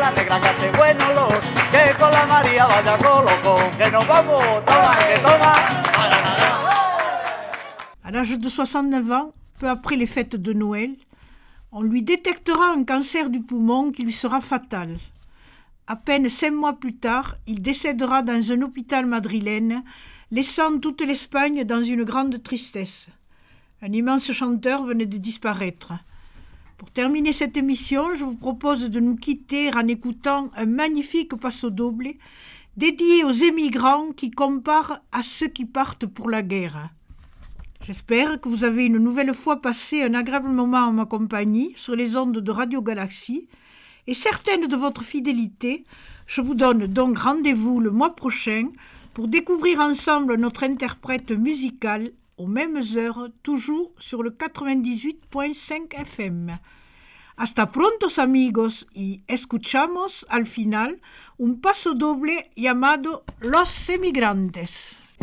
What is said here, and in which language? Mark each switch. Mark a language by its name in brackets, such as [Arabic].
[Spanish] hace buen olor. Que con la María vaya colocón. Que nos vamos, toma, que toma. [French] À l'âge de 69 ans, peu après les fêtes de Noël, on lui détectera un cancer du poumon qui lui sera fatal. À peine 5 mois plus tard, il décédera dans un hôpital madrilène, laissant toute l'Espagne dans une grande tristesse. Un immense chanteur venait de disparaître. Pour terminer cette émission, je vous propose de nous quitter en écoutant un magnifique passo-doble dédié aux émigrants qui comparent à ceux qui partent pour la guerre. J'espère que vous avez une nouvelle fois passé un agréable moment en ma compagnie sur les ondes de Radio Galaxie. Et certaine de votre fidélité, je vous donne donc rendez-vous le mois prochain pour découvrir ensemble notre interprète musicale aux mêmes heures, toujours sur le 98.5 FM. [Spanish] Hasta pronto, amigos, y escuchamos al final un paso doble llamado Los Emigrantes.